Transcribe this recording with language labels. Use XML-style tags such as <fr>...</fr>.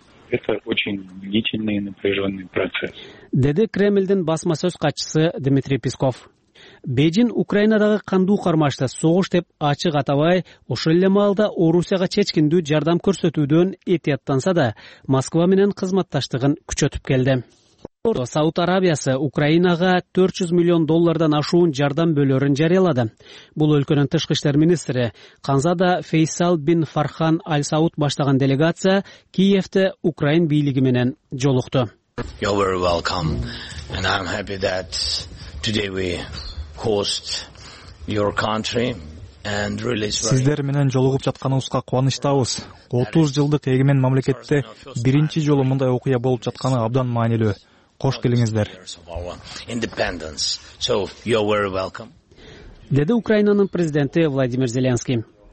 <ru>Это очень длительный и напряженный процесс.</ru> <ky>Деди Кремльдин басма сөз катчысы Дмитрий Песков. Бээжин Украинадагы кандуу кармашты согуш деп ачык атабай, ошол эле маалда Орусияга чечкиндүү жардам көрсөтүүдөн этияттанса да, Москва менен кызматташтыгын күчөтүп келди. Сауд Арабиясы Украинага 400 миллион доллардан ашуун жардам бөлөрүн жарыялады. Бул өлкөнүн тышкы иштер министри Канзада Фейсал бин Фархан Аль Сауд баштаган делегация Киевте Украин бийлиги менен жолукту.</ky> <en>You're very welcome and I'm happy that today we host your country.</en> <ky>Сиздер менен жолугуп жатканыбызга кубанычтабыз. 30 жылдык эгемен мамлекетте биринчи жолу мындай окуя болуп жатканы абдан маанилүү. Кош келиңиздер. Деди Украинанын президенти Владимир Зеленский.</ky>